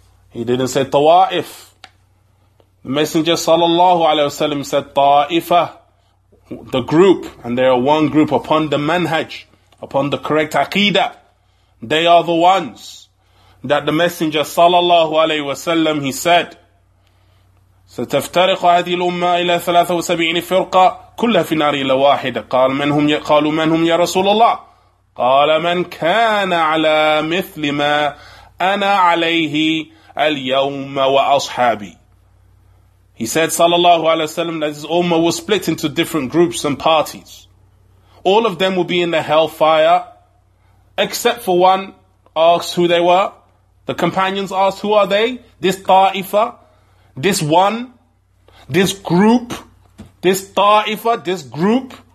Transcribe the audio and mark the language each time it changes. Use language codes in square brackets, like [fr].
[en] He didn't say Tawa'if. The messenger sallallahu alayhi wa sallam said Ta'ifa, the group, and they are one group upon the manhaj, upon the correct aqidah. They are the ones that the messenger sallallahu alayhi wa sallam, he said, [ar] ستفترق هذه الأمة إلى 73 فرقة كلها في نار إلا واحدة. قالوا من هم يا رسول الله؟ قال من كان على مثل ما أنا عليه اليوم وأصحابي. [en] He said sallallahu alayhi wa sallam that his ummah will split into different groups and parties. All of them will be in the hellfire, except for one. Asked who they were. The companions asked, who are they? This ta'ifa, this one, this group, this ta'ifa, this group.